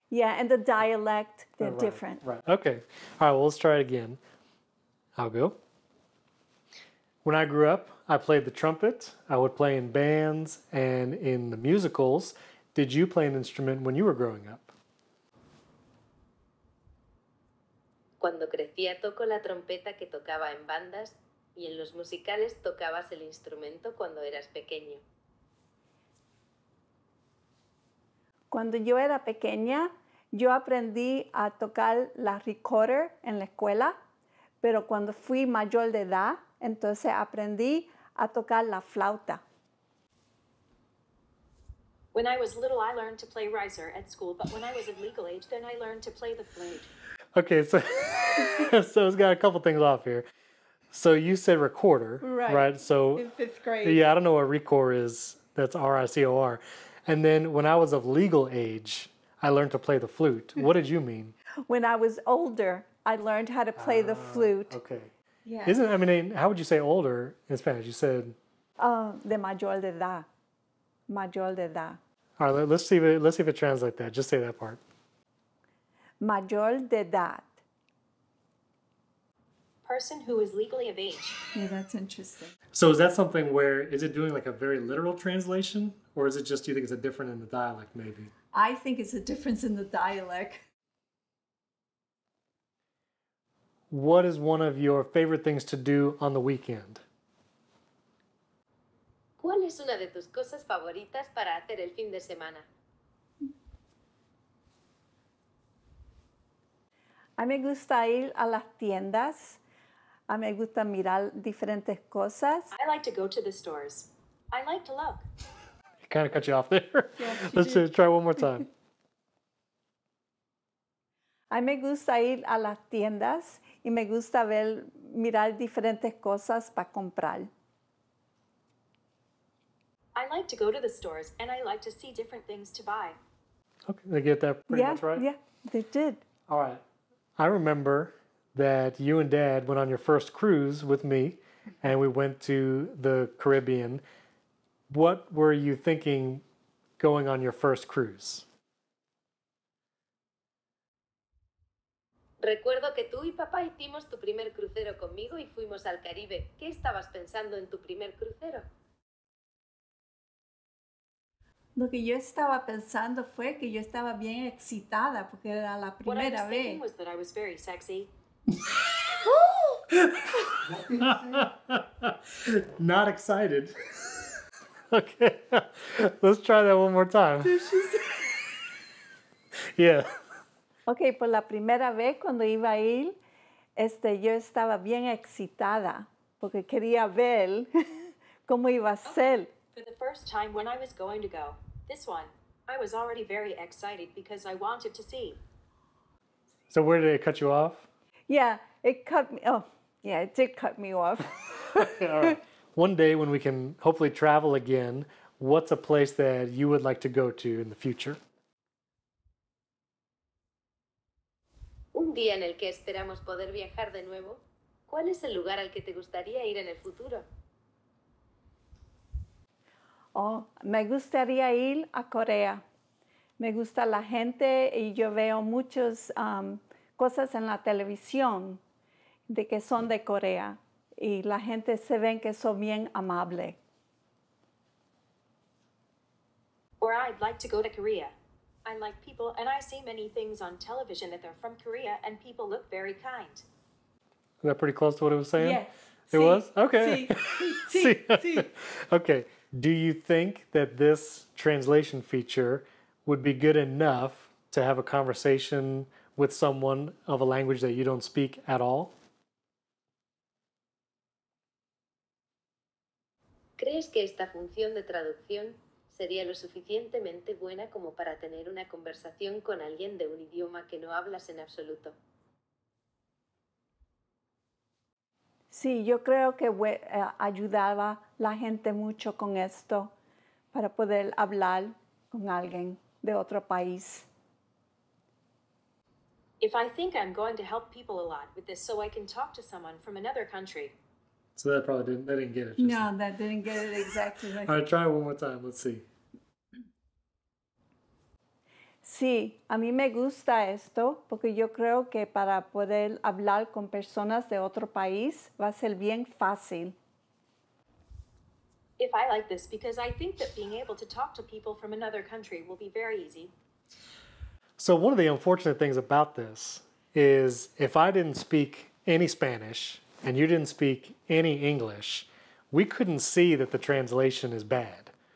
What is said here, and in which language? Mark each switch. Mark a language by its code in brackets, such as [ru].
[en] Yeah, and the dialect, they're different. Right, okay. All right, well, let's try it again. I'll go. When I grew up, I played the trumpet. I would play in bands and in the musicals. Did you play an instrument when you were growing up? [es] Cuando crecía toco la trompeta que tocaba en bandas y en los musicales tocabas el instrumento cuando eras pequeño. Cuando yo era pequeña, yo aprendí a tocar la recorder en la escuela, pero cuando fui mayor de edad, entonces aprendí a tocar la flauta. [en] When I was little, I learned to play riser at school, but when I was of legal age, then I learned to play the flute. Okay, so it's got a couple things off here. So you said recorder, right? So in fifth grade. Yeah, I don't know what recor is. That's R-I-C-O-R. And then when I was of legal age, I learned to play the flute. What did you mean? When I was older, I learned how to play the flute. Okay. Yeah. How would you say older in Spanish? You said... [es] De mayor de edad. Mayor de edad. [en] All right, let's see if it translates that. Just say that part. [es] Mayor de edad. [en] Person who is legally of age. Yeah, that's interesting. So is that something where, is it doing like a very literal translation? Or is it just, do you think it's a difference in the dialect maybe? I think it's a difference in the dialect. What is one of your favorite things to do on the weekend? [es] ¿Cuál es una de tus cosas favoritas para hacer el fin de semana? A mí me gusta ir a las tiendas. A mí me gusta mirar diferentes cosas. [en] I like to go to the stores. I like to look. I kind of cut you off there. Yes, you Let's try one more time. [es] A mí me gusta ir a las tiendas y me gusta ver mirar diferentes cosas para comprar. [en] I like to go to the stores and I like to see different things to buy. Okay, they get that pretty much right? Yeah, they did. All right. I remember that you and Dad went on your first cruise with me and we went to the Caribbean. What were you thinking going on your first cruise? [es] Recuerdo que tú y papá hicimos tu primer crucero conmigo y fuimos al Caribe. ¿Qué estabas pensando en tu primer crucero? Lo que yo estaba pensando fue que yo estaba bien excitada porque era la primera vez. [en] What I was thinking was that I was very sexy. Not excited. Okay, let's try that one more time. Yeah. [es] Okay, por la primera vez cuando iba a ir, yo estaba bien excitada porque quería ver cómo iba a ser. [en] Okay. For the first time when I was going to go, this one, I was already very excited because I wanted to see. So where did it cut you off? Yeah, it cut me off. Yeah, it did cut me off. All right. One day when we can hopefully travel again, what's a place that you would like to go to in the future? [es] Un día en el que esperamos poder viajar de nuevo, ¿cuál es el lugar al que te gustaría ir en el futuro? Oh, me gustaría ir a Corea. Me gusta la gente y yo veo muchas cosas en la televisión de que son de Corea. Y la gente se ve que son bien amables. [en] Or I'd like to go to Korea. I like people and I see many things on television that they're from Korea and people look very kind. Is that pretty close to what it was saying? Yes. It Was? Okay. [es] Si. Si. Si. [en] Okay. Do you think that this translation feature would be good enough to have a conversation with someone of a language that you don't speak at all? [es] ¿Crees que esta función de traducción sería lo suficientemente buena como para tener una conversación con alguien de un idioma que no hablas en absoluto? Sí, yo creo que ayudaba la gente mucho con esto para poder hablar con alguien de otro país. [en] If I think I'm going to help people a lot with this so I can talk to someone from another country. So that probably didn't, they didn't get it. No, now. That didn't get it exactly. All right, try it one more time. Let's see. [es] Sí, a mí me gusta esto porque yo creo que para poder hablar con personas de otro país va a ser bien fácil. [en] If I like this because I think that being able to talk to people from another country will be very easy. So one of the unfortunate things about this is if I didn't speak any Spanish and you didn't speak any English, we couldn't see that the translation is bad.